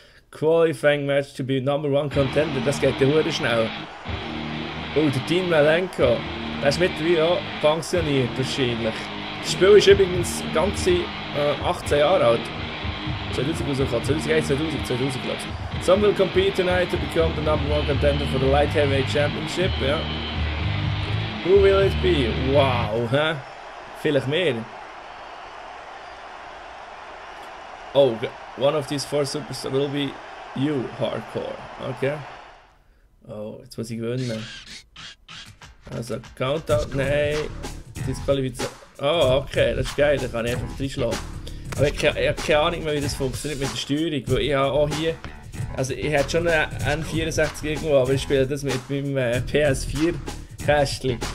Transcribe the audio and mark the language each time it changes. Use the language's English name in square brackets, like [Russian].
[English] Qualifying match to be number one contender. [German] Das geht ja hure schnell. Oh, der Dean Malenko. Der ist mit wie auch pensioniert wahrscheinlich. Das Spiel ist übrigens ganze 18 Jahre alt. 2000, glaube ich. [English] Some will compete tonight to become the number one contender for the Light Heavyweight Championship, ja. Yeah. Who will it be? Wow, hä? Huh? [German] Vielleicht mehr. [English] Oh, one of these four superstars will be you, Hardcore. Okay. [German] Oh, jetzt muss ich gewinnen. Also, Countdown, nein. Disqualifizieren. Oh, okay, das ist geil, da kann ich einfach reinschlagen. Aber ich habe keine Ahnung mehr, wie das funktioniert mit der Steuerung, weil ich habe auch hier... Also, ich hätte schon eine N64 irgendwo, aber ich spiele das mit meinem PS4-Kästchen.